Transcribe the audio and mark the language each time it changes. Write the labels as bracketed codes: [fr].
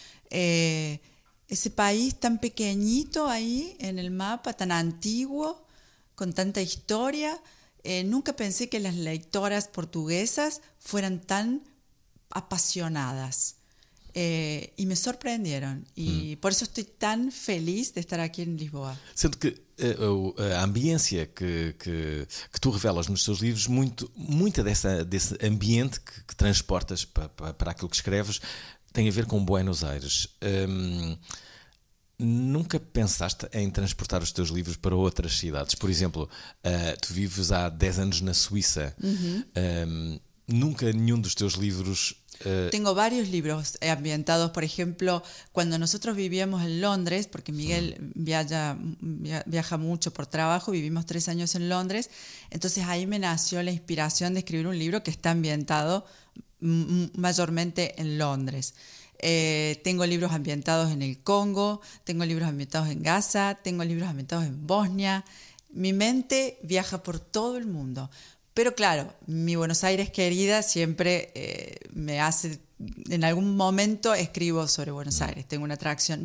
[es] Ese país tan pequeñito ahí en el mapa, tan antiguo, con tanta historia, nunca pensé que las lectoras portuguesas fueran tan apasionadas. Y me sorprendieron. Y por eso estoy tan feliz de estar aquí en Lisboa. [pt] Siento que a ambiência que tu revelas nos teus livros, muita desse ambiente que transportas para aquilo que escreves, tem a ver com Buenos Aires. Nunca pensaste em transportar os teus livros para outras cidades? Por exemplo, tu vives há 10 anos na Suíça. Uhum. Nunca nenhum dos teus livros... Tenho vários livros ambientados. Por exemplo, quando nós vivíamos em Londres, porque Miguel viaja muito por trabalho, [es] vivimos [pt] 3 anos em Londres, então aí me nasceu a inspiração de escrever livro que está ambientado [es] mayormente en Londres. Tengo libros ambientados en el Congo, tengo libros ambientados en Gaza, tengo libros ambientados en Bosnia. Mi mente viaja por todo el mundo. Pero claro, mi Buenos Aires querida siempre me hace... En algún momento escribo sobre Buenos Aires, tengo una atracción.